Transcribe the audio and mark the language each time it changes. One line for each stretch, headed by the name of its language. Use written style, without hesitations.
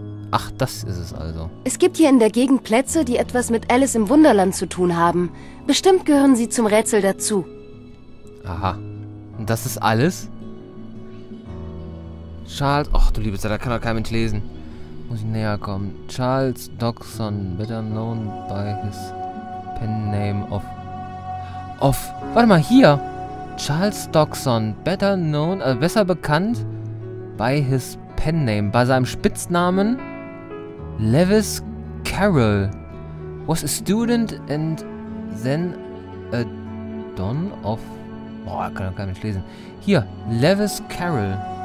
German: Ach, das ist es also. Es gibt hier in der Gegend Plätze, die etwas mit Alice im Wunderland zu tun haben. Bestimmt gehören sie zum Rätsel dazu. Aha. Und das ist alles? Charles... Ach, du liebe Zeit, da kann doch kein Mensch lesen. Muss ich näher kommen.
English: Charles Dockson, better known by his pen name of... Of...
German: Warte mal, hier!
English: Charles Dockson, better known...
German: besser bekannt
English: by his pen name.
German: Bei seinem Spitznamen...
English: Lewis Carroll was a student and then a don of...
German: Boah, kann doch gar nicht lesen. Hier, Lewis Carroll.